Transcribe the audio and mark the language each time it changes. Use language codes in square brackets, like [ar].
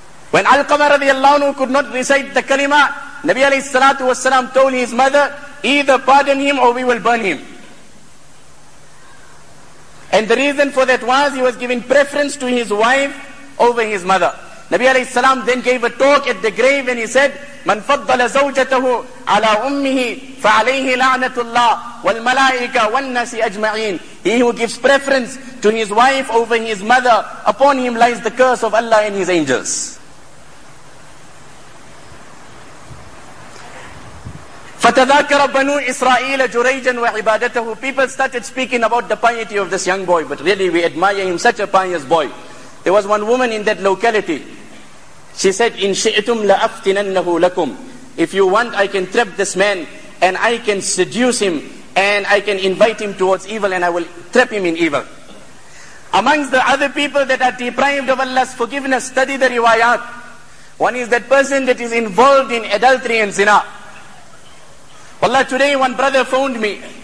[en] When Al-Qamah radiallahu anhu could not recite the kalima, Nabi alayhi salatu wasalam told his mother, either pardon him or we will burn him. And the reason for that was, he was giving preference to his wife over his mother. Nabi alayhi salam then gave a talk at the grave and he said, [ar] من فضل زوجته على أمه فعليه لعنة الله والملائكة والناس أجمعين. [en] He who gives preference to his wife over his mother, upon him lies the curse of Allah and his angels. [ar] فتذاكر بنو إسرائيل جريجا وعبادته. [en] People started speaking about the piety of this young boy, but really we admire him, such a pious boy. There was one woman in that locality. She said, [ar] إِن شِئْتُمْ لَأَفْتِنَنَّهُ لَكُمْ. [en] If you want, I can trap this man and I can seduce him and I can invite him towards evil and I will trap him in evil. Amongst the other people that are deprived of Allah's forgiveness, study the riwayat. One is that person that is involved in adultery and zina. Wallah, today one brother phoned me.